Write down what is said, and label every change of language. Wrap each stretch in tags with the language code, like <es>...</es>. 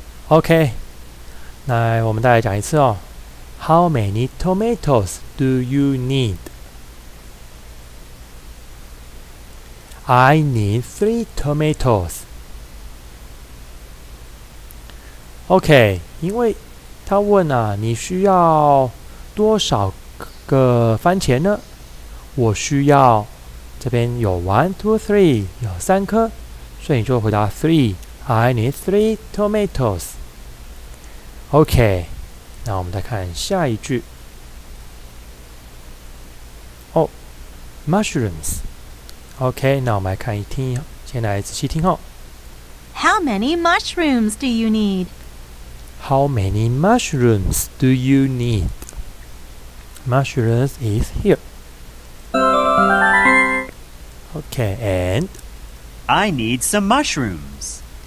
<zh>OK, 那我们再来讲一次哦。</zh> <en>How many tomatoes do you need? I need 3 tomatoes.</en> <zh>OK, 因为他问啊，你需要多少个番茄呢？我需要，这边有 1, 2, 3, 有三颗，所以你就回答 3.</zh> <en>I need 3 tomatoes.</en> <zh>OK, 那我们再看下一句。</zh> <en>Oh, mushrooms.</en> <zh>OK, 那我们来看一听，先来仔细听哦。</zh> <en>How many mushrooms do you need? How many mushrooms do you need? Mushrooms is here. OK, and? I need some mushrooms.</en>